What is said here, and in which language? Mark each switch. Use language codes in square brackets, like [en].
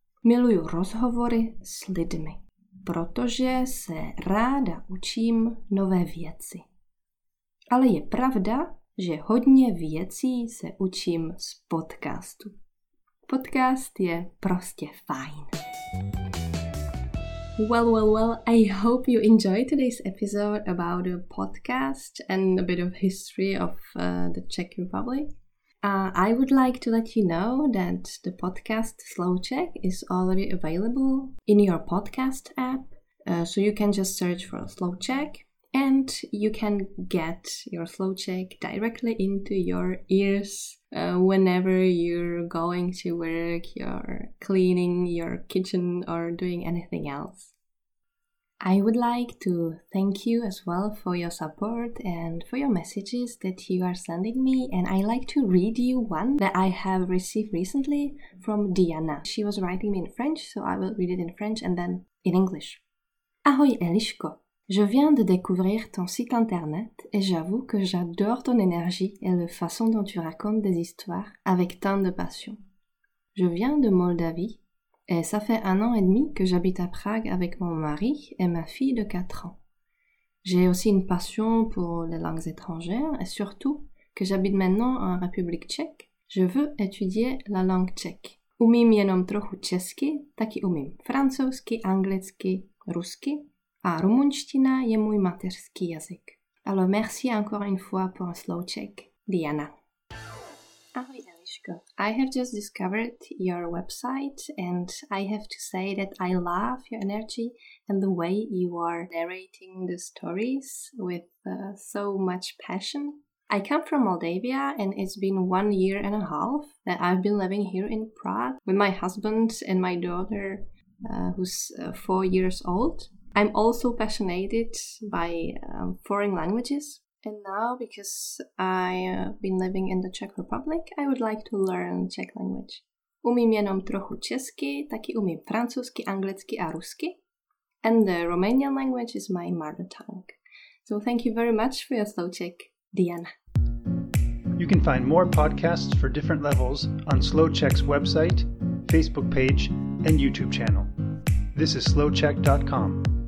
[cs] Miluju rozhovory s lidmi, protože se ráda učím nové věci. Ale je pravda, že hodně věcí se učím z podcastu. Podcast je prostě fajn. [en] Well, I hope you enjoyed today's episode about a podcast and a bit of history of the Czech Republic. I would like to let you know that the podcast Slow Czech is already available in your podcast app, so you can just search for Slow Czech and you can get your Slow Czech directly into your ears whenever you're going to work, you're cleaning your kitchen or doing anything else. I would like to thank you as well for your support and for your messages that you are sending me. And I like to read you one that I have received recently from Diana. She was writing me in French, so I will read it in French and then in English. [fr] Ahoy Eliško, je viens de découvrir ton site internet et j'avoue que j'adore ton énergie et la façon dont tu racontes des histoires avec tant de passion. Je viens de Moldavie. Et ça fait un an et demi que j'habite à Prague avec mon mari et ma fille de 4 ans. J'ai aussi une passion pour les langues étrangères et surtout que j'habite maintenant en République tchèque, je veux étudier la langue tchèque. [cs] Umím jenom trochu česky, taky umím francouzsky, anglicky, rusky a rumunština je můj mateřský jazyk. [fr] Alors merci encore une fois pour un slow Czech, Diana. [cs] Ahoj. [en] I have just discovered your website and I have to say that I love your energy and the way you are narrating the stories with so much passion. I come from Moldavia and it's been 1 year and a half that I've been living here in Prague with my husband and my daughter who's 4 years old. I'm also passionate by foreign languages. And now, because I've been living in the Czech Republic, I would like to learn Czech language. [cs] Umím jenom trochu česky, taky umím francouzsky, anglicky a rusky. [en] And the Romanian language is my mother tongue. So thank you very much for your slow Czech, Diana. You can find more podcasts for different levels on Slow Czech's website, Facebook page and YouTube channel. This is slowczech.com.